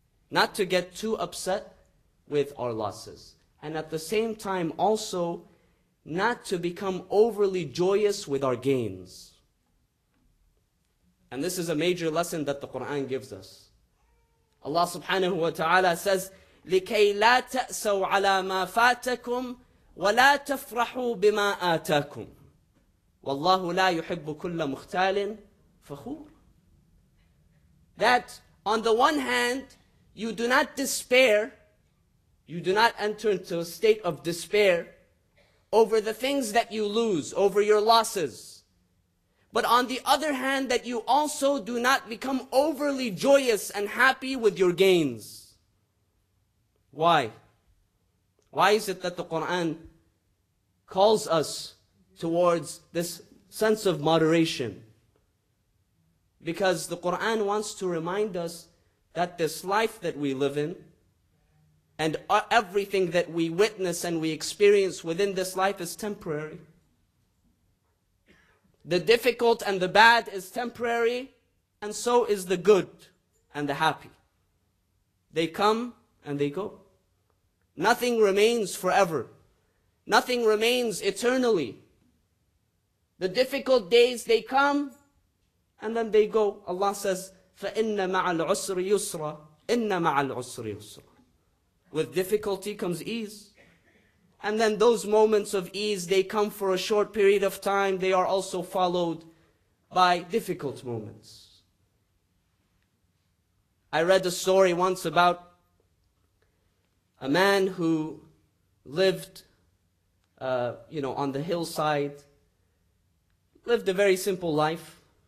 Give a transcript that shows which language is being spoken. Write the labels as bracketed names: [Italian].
[English] Not to get too upset with our losses. And at the same time also, not to become overly joyous with our gains. And this is a major lesson that the Quran gives us. Allah subhanahu wa ta'ala says, [Arabic] لِكَيْ لَا تَأْسَوْ عَلَى مَا فَاتَكُمْ وَلَا تَفْرَحُوا بِمَا آتَكُمْ وَاللَّهُ لَا يُحِبُّ كُلَّ مُخْتَالٍ فَخُورٍ. [English] That on the one hand, you do not despair, you do not enter into a state of despair over the things that you lose, over your losses. But on the other hand, that you also do not become overly joyous and happy with your gains. Why? Why is it that the Quran calls us towards this sense of moderation? Because the Quran wants to remind us that this life that we live in, and everything that we witness and we experience within this life is temporary. The difficult and the bad is temporary, and so is the good and the happy. They come and they go. Nothing remains forever. Nothing remains eternally. The difficult days, they come and then they go. Allah says, [Arabic] فَإِنَّ مَعَ الْعُسْرِ يُسْرًا إِنَّ مَعَ الْعُسْرِ يُسْرًا. [English] With difficulty comes ease. And then those moments of ease, they come for a short period of time. They are also followed by difficult moments. I read a story once about a man who lived, on the hillside, lived a very simple life.